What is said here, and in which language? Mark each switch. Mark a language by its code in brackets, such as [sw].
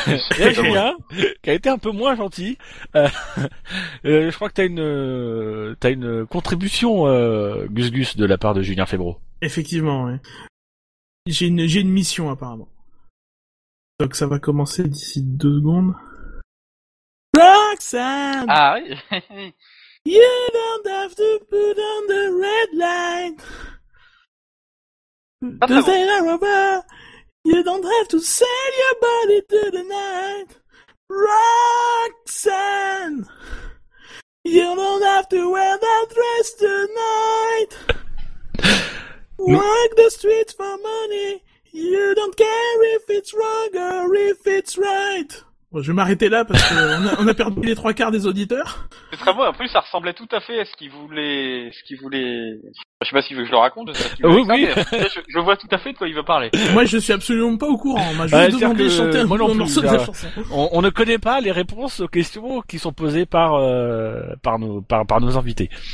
[fr] Il y a Julien, qui a été un peu moins gentil. Je crois que t'as une contribution, Gus, de la part de Julien Febvre. Effectivement, ouais. J'ai une mission, apparemment. Donc ça va commencer d'ici 2 secondes. Roxanne! Ah oui! [en] You don't have to put on the red light! The sail are over! You don't have to sell your body to the night! Roxanne! You don't have to wear that dress tonight! Walk the streets for money! You don't care if it's wrong or if it's right. [fr] Bon, je vais m'arrêter là parce que on a perdu les 3/4 des auditeurs. C'est très beau. En plus, ça ressemblait tout à fait à ce qu'il voulait. Je sais pas s'il veut que je le raconte. Oui. Je vois tout à fait de quoi il veut parler. Moi, je suis absolument pas au courant. Moi, je vais demander de chanter un morceau de la chanson. On ne connaît pas les réponses aux questions qui sont posées par nos invités.